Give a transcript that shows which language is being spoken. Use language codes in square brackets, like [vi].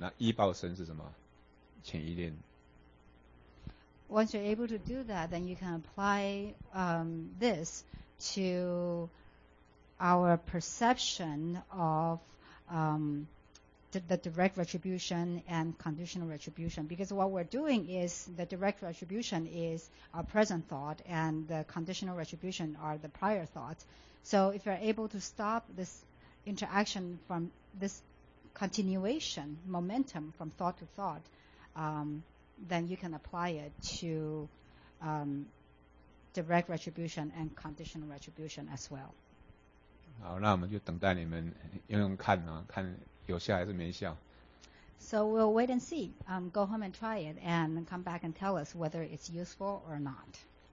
[zh] 那这部分可以的话，再回头过来，你现前看到的也是一样，就正报身跟依报身也是一样。正报身你把它当做是什么？当做是等于是现前这一念，那依报身是什么？前一念。 [en] Once you're able to do that, then you can apply this to our perception of the direct retribution and conditional retribution. Because what we're doing is the direct retribution is our present thought and the conditional retribution are the prior thoughts. So if you're able to stop this interaction from this continuation momentum from thought to thought, then you can apply it to direct retribution and conditional retribution as well. [zh] 好，那我们就等待你们用用看啊，看有效还是没效。So [en] we'll wait and see. Go home and try it and come back and tell us whether it's useful or not.